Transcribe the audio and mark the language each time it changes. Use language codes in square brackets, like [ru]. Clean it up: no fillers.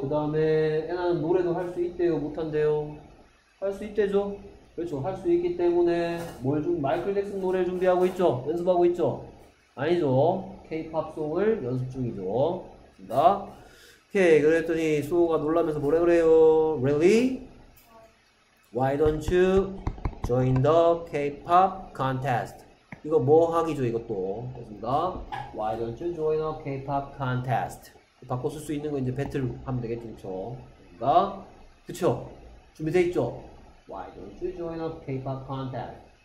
[ko] 그 다음에 나는 노래도 할수 있대요, 못한대요. 할수 있대죠. 그렇죠. 할수 있기 때문에 뭘좀 마이클 잭슨 노래 준비하고 있죠. 연습하고 있죠. 아니죠. K-pop 송을 연습 중이죠. 맞습니다. 오케이. 그랬더니 수호가 놀라면서 뭐라 그래요? [en] Really? Why don't you join the K-pop contest? [ko] 이거 뭐 하기죠? 이것도. 맞습니다. [en] Why don't you join the K-pop contest? [ko] 바꿔 쓸수 있는 거 이제 배틀 하면 되겠죠. 그쵸? 그쵸? 준비돼 있죠? [en] Why don't you join a K-pop contest?